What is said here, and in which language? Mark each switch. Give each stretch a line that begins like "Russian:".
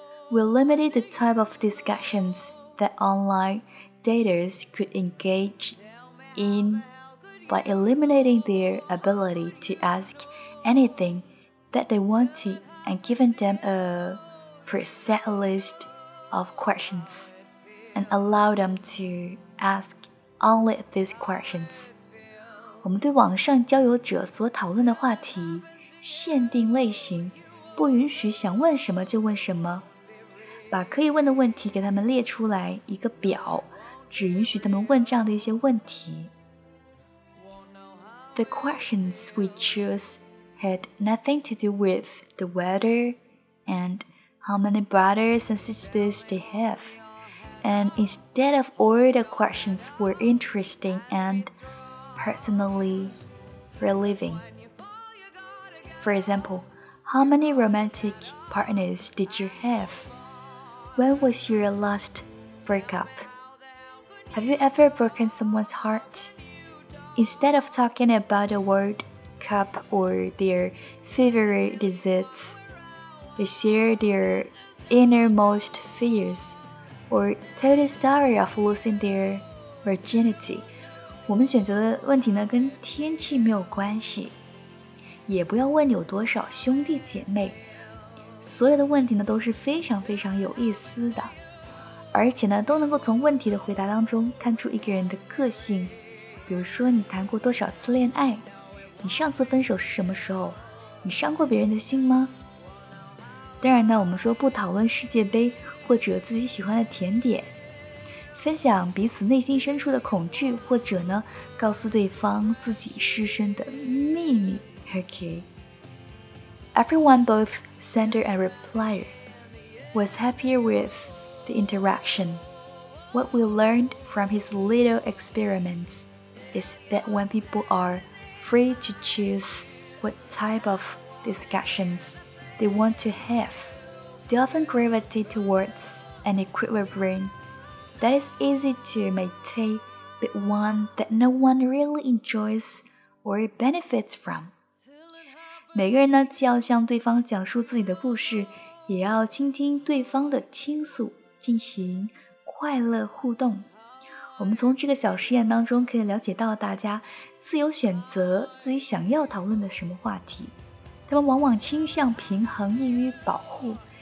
English: We limited the type of discussions that online daters could engage in by eliminating their ability to ask anything that they wanted and giving them a preset list of questions and allow them toAsk only these questions.
Chinese: 我们对网上交友者所讨论的话题限定类型，不允许想问什么就问什么，把可以问的问题给他们列出来一个表，只允许他们问这样的一些问题。
English: The questions we chose had nothing to do with the weather and how many brothers and sisters they haveAnd instead of all the questions were interesting and personally relieving. For example, how many romantic partners did you have? When was your last breakup? Have you ever broken someone's heart? Instead of talking about the World Cup or their favorite desserts, they share their innermost fears. Or tell the story of losing their virginity.
Chinese: 我们选择的问题呢，跟天气没有关系，也不要问有多少兄弟姐妹。所有的问题呢，都是非常非常有意思的，而且呢，都能够从问题的回答当中看出一个人的个性。比如说，你谈过多少次恋爱？你上次分手是什么时候？你伤过别人的心吗？当然呢，我们说不讨论世界杯。或者自己喜欢的甜点，分享彼此内心深处的恐惧，或者呢，告诉对方自己失身的秘密。
English: Okay. Everyone, both sender and replier, was happier with the interaction. What we learned from his little experiments is that when people are free to choose what type of discussions they want to have,They often gravitate towards an equilibrium that is easy to maintain, but one that no one really enjoys or benefits from.
Chinese: 每个人呢，既要向对方讲述自己的故事，也要倾听对方的倾诉，进行快乐互动。我们从这个小实验当中可以了解到，大家自由选择自己想要讨论的什么话题，他们往往倾向平衡，易于保护。